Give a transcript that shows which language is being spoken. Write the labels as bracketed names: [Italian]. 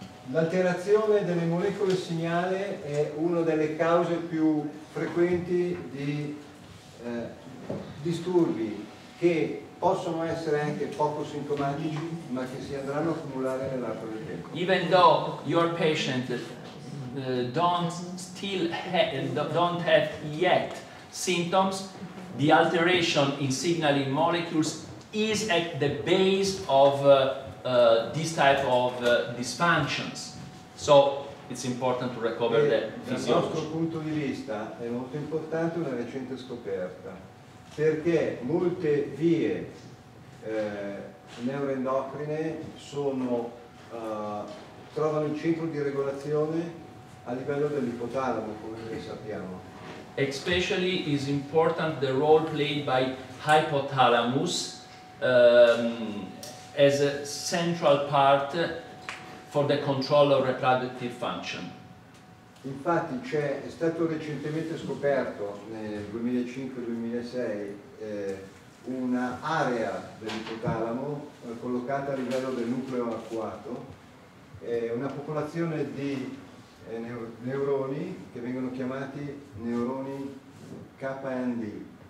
[Italian] L'alterazione delle molecole segnale è una delle cause più frequenti di disturbi che possono essere anche poco sintomatici, ma che si andranno a accumulare nell'arco del tempo. [English] Even though your patient don't have yet symptoms, the alteration in signaling molecules is at the base of this type of dysfunctions. So it's important to recover the physiology. [Italian] Dal nostro punto di vista è molto importante una recente scoperta, perché molte vie neuroendocrine sono trovano il centro di regolazione a livello dell'ipotalamo, come noi sappiamo. [English] Especially is important the role played by hypothalamus as a central part for the control of reproductive function. [Italian] Infatti c'è, è stato recentemente scoperto nel 2005-2006 un'area dell'ipotalamo collocata a livello del nucleo arcuato, una popolazione di neuroni che vengono chiamati neuroni KND.